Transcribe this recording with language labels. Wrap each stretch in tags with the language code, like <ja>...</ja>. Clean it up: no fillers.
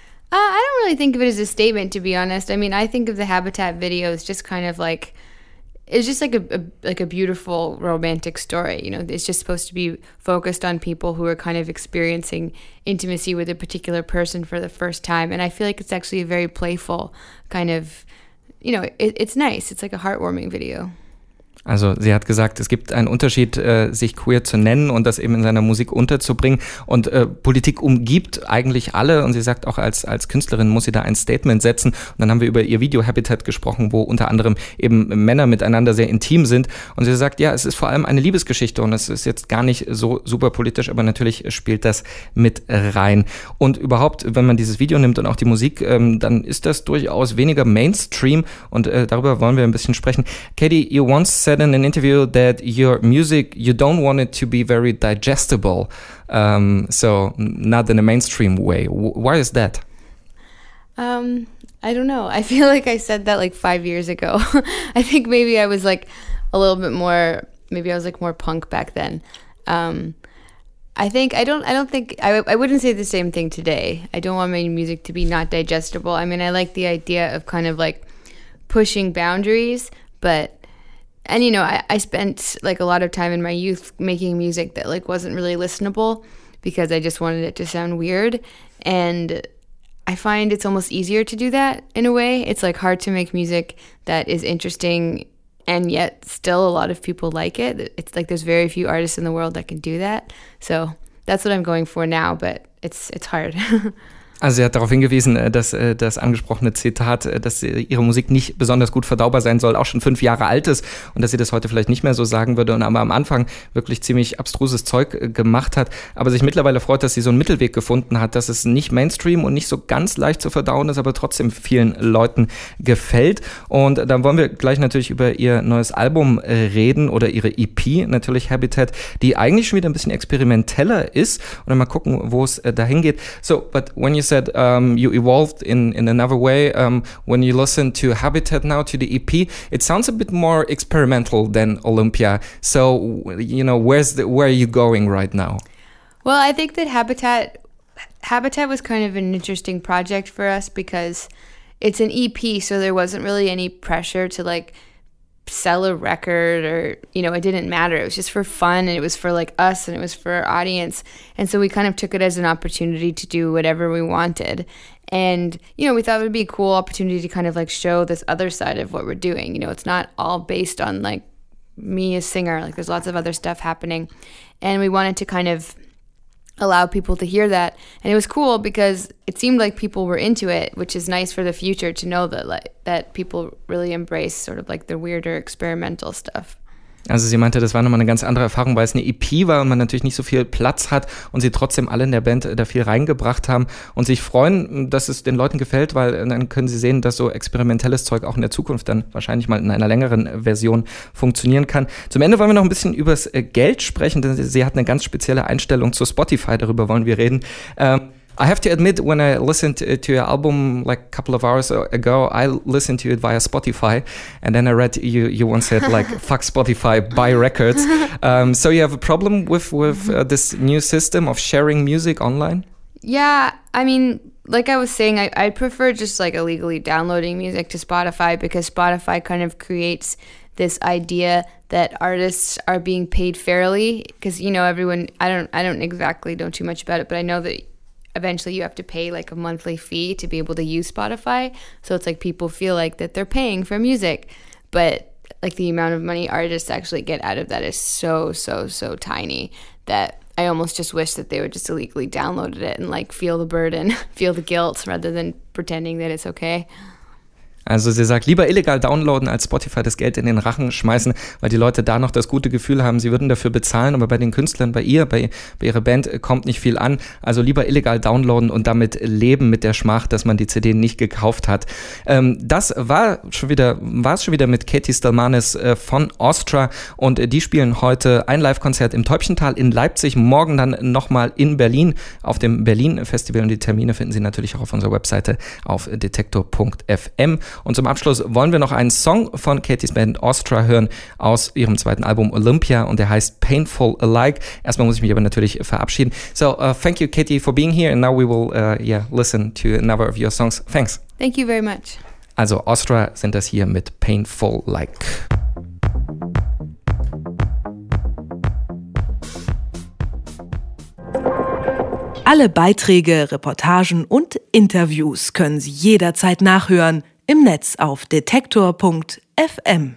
<en>I don't really think of it as a statement, to be honest. I mean, I think of the Habitat video as just kind of like, it's just like a beautiful romantic story. You know, it's just supposed to be focused on people who are kind of experiencing intimacy with a particular person for the first time. And I feel like it's actually a very playful kind of, you know, it's nice. It's like a heartwarming video.</en> <de>Also sie hat gesagt, es gibt einen Unterschied, sich queer zu nennen und das eben in seiner Musik unterzubringen. Und Politik umgibt eigentlich alle. Und sie sagt auch, als Künstlerin muss sie da ein Statement setzen. Und dann haben wir über ihr Video Habitat gesprochen, wo unter anderem eben Männer miteinander sehr intim sind. Und sie sagt, ja, es ist vor allem eine Liebesgeschichte und es ist jetzt gar nicht so super politisch, aber natürlich spielt das mit rein. Und überhaupt, wenn man dieses Video nimmt und auch die Musik, dann ist das durchaus weniger Mainstream. Und darüber wollen wir ein bisschen sprechen.</de> <en>Katie, you once said in an interview that your music, you don't want it to be very digestible, so not in a mainstream way. Why is that? I don't know. I feel like I said that like 5 years ago. I think maybe I was like a little bit more, maybe I was like more punk back then. I wouldn't say the same thing today. I don't want my music to be not digestible. I mean, I like the idea of kind of like pushing boundaries, but and, you know, I spent, like, a lot of time in my youth making music that, like, wasn't really listenable because I just wanted it to sound weird. And I find it's almost easier to do that in a way. It's, like, hard to make music that is interesting and yet still a lot of people like it. It's like there's very few artists in the world that can do that. So that's what I'm going for now, but it's hard.</en> <de>Also sie hat darauf hingewiesen, dass das angesprochene Zitat, dass ihre Musik nicht besonders gut verdaubar sein soll, auch schon 5 Jahre alt ist und dass sie das heute vielleicht nicht mehr so sagen würde und aber am Anfang wirklich ziemlich abstruses Zeug gemacht hat, aber sich mittlerweile freut, dass sie so einen Mittelweg gefunden hat, dass es nicht Mainstream und nicht so ganz leicht zu verdauen ist, aber trotzdem vielen Leuten gefällt. Und dann wollen wir gleich natürlich über ihr neues Album reden oder ihre EP, natürlich Habitat, die eigentlich schon wieder ein bisschen experimenteller ist und dann mal gucken, wo es dahin geht.</de> <en>So, but when you said you evolved in another way when you listen to Habitat now, to the EP, it sounds a bit more experimental than Olympia. So, you know, where are you going right now? Well, I think that Habitat was kind of an interesting project for us because it's an EP, so there wasn't really any pressure to like sell a record or, you know, it didn't matter. It was just for fun and it was for like us and it was for our audience. And so we kind of took it as an opportunity to do whatever we wanted. And, you know, we thought it would be a cool opportunity to kind of like show this other side of what we're doing. You know, it's not all based on like me as a singer. Like there's lots of other stuff happening. And we wanted to kind of allow people to hear that. And it was cool because it seemed like people were into it, which is nice for the future to know that that people really embrace sort of like the weirder experimental stuff.</en> <de>Also sie meinte, das war nochmal eine ganz andere Erfahrung, weil es eine EP war und man natürlich nicht so viel Platz hat und sie trotzdem alle in der Band da viel reingebracht haben und sich freuen, dass es den Leuten gefällt, weil dann können sie sehen, dass so experimentelles Zeug auch in der Zukunft dann wahrscheinlich mal in einer längeren Version funktionieren kann. Zum Ende wollen wir noch ein bisschen übers Geld sprechen, denn sie hat eine ganz spezielle Einstellung zu Spotify, darüber wollen wir reden.</de> <en>I have to admit, when I listened to your album like a couple of hours ago, I listened to it via Spotify, and then I read you once said like "fuck Spotify, buy records." So you have a problem with this new system of sharing music online? Yeah, I mean, like I was saying, I prefer just like illegally downloading music to Spotify because Spotify kind of creates this idea that artists are being paid fairly. Because you know, everyone, I don't exactly know too much about it, but I know that eventually you have to pay like a monthly fee to be able to use Spotify. So it's like people feel like that they're paying for music, but like the amount of money artists actually get out of that is so, so, so tiny that I almost just wish that they would just illegally download it and like feel the burden, feel the guilt rather than pretending that it's okay.</en> <de>Also sie sagt, lieber illegal downloaden als Spotify das Geld in den Rachen schmeißen, weil die Leute da noch das gute Gefühl haben, sie würden dafür bezahlen, aber bei den Künstlern, bei ihrer Band kommt nicht viel an. Also lieber illegal downloaden und damit leben mit der Schmach, dass man die CD nicht gekauft hat. Das war es schon wieder mit Katie Stelmanis von Ostra und die spielen heute ein Live-Konzert im Täubchental in Leipzig, morgen dann nochmal in Berlin auf dem Berlin-Festival und die Termine finden Sie natürlich auch auf unserer Webseite auf detektor.fm. Und zum Abschluss wollen wir noch einen Song von Katies Band Ostra hören aus ihrem zweiten Album Olympia und der heißt Painful Alike. Erstmal muss ich mich aber natürlich verabschieden.</de> <en>So, thank you, Katie, for being here. And now we will listen to another of your songs. Thanks. Thank you very much.</en> <de>Also Ostra sind das hier mit Painful Alike. Alle Beiträge, Reportagen und Interviews können Sie jederzeit nachhören. Im Netz auf detektor.fm.</de>